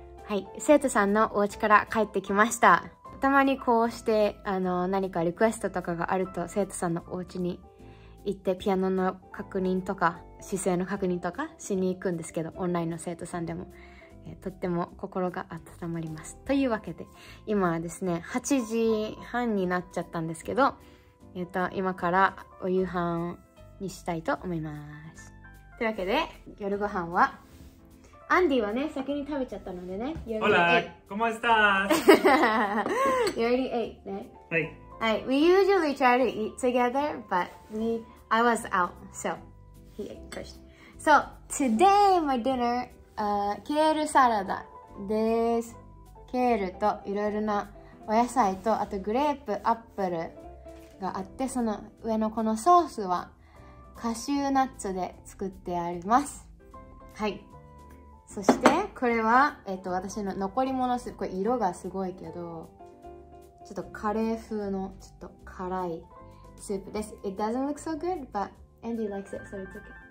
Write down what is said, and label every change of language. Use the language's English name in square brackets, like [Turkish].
[Japanese] はい、生徒さんのお家から帰ってきました。たまにこうして何かリクエストとかがあると生徒さんのお家に行ってピアノの確認とか姿勢の確認とかしに行くんですけど、オンラインの生徒さんでもとっても心が温まります。というわけで今はですね8時半になっちゃったんですけど、今からお夕飯にしたいと思います。というわけで夜ご飯はアンディはね先に食べちゃったのでね、ホラーコマスタ [English] ース You already ate, ね、 [Japanese] はい、 [English] はい、We usually try to eat together but I was out so he ate first. So today my dinner [Japanese] ケールサラダです。ケールといろいろなお野菜とあとグレープ、アップルがあって、その上のこのソースはカシューナッツで作ってあります。はい、そしてこれは私の残り物、これ色がすごいけどちょっとカレー風のちょっと辛いスープです。 [English] It doesn't look so good but Andy likes it so it's okay.